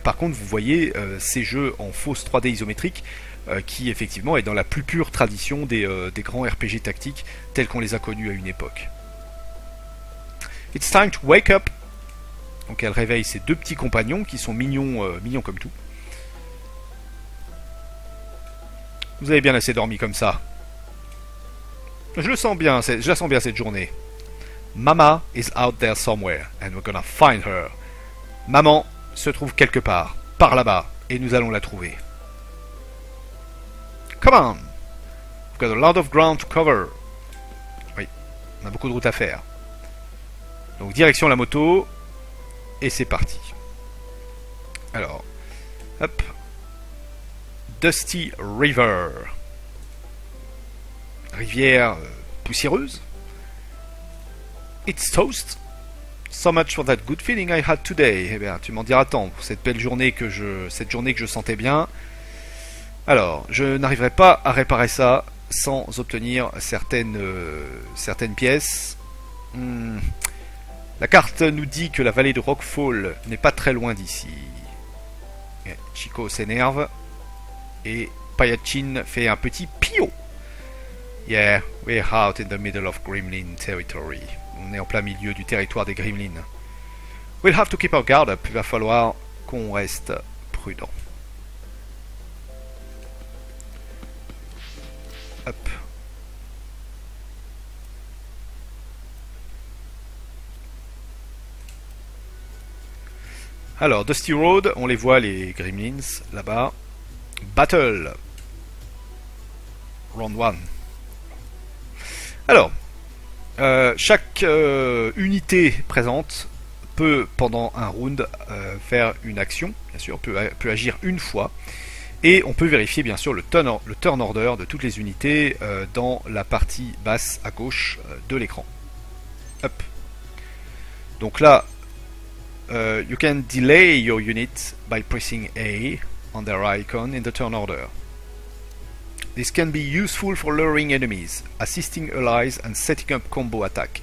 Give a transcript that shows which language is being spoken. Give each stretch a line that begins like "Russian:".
French: Par contre, vous voyez ces jeux en fausse 3D isométrique qui effectivement est dans la plus pure tradition des grands RPG tactiques tels qu'on les a connus à une époque.
English: It's time to wake up!
French: Donc elle réveille ses deux petits compagnons qui sont mignons, mignons comme tout. Vous avez bien assez dormi comme ça. Je le sens bien, je la sens bien cette journée.
English: Mama is out there somewhere, and we're gonna find her.
French: Maman se trouve quelque part, par là-bas, et nous allons la trouver.
English: Come on! We've got a lot of ground to cover.
French: On a beaucoup de route à faire. Donc direction la moto, et c'est parti. Alors, hop.
English: Dusty River.
French: Rivière poussiéreuse.
English: It's toast. So much for that good feeling I had today.
French: Eh bien, tu m'en diras tant pour cette belle journée cette journée que je sentais bien. Alors, je n'arriverai pas à réparer ça sans obtenir certaines pièces. La carte nous dit que la vallée de Rockfall n'est pas très loin d'ici. Chico s'énerve. Et Payachin fait un petit pio.
English: Yeah, we're out in the middle of Gremlin territory.
French: On est en plein milieu du territoire des Gremlins.
English: We'll have to keep our guard up.
French: Il va falloir qu'on reste prudent. Hop. Alors, Dusty Road, on les voit les Gremlins là-bas. Battle. Round 1. Alors, chaque unité présente peut, pendant un round, faire une action, bien sûr, peut agir une fois, et on peut vérifier, bien sûr, le turn order de toutes les unités dans la partie basse à gauche de l'écran. Hop. Donc là,
English: you can delay your unit by pressing A. On their icon in the turn order. This can be useful for luring enemies, assisting allies and setting up combo attack.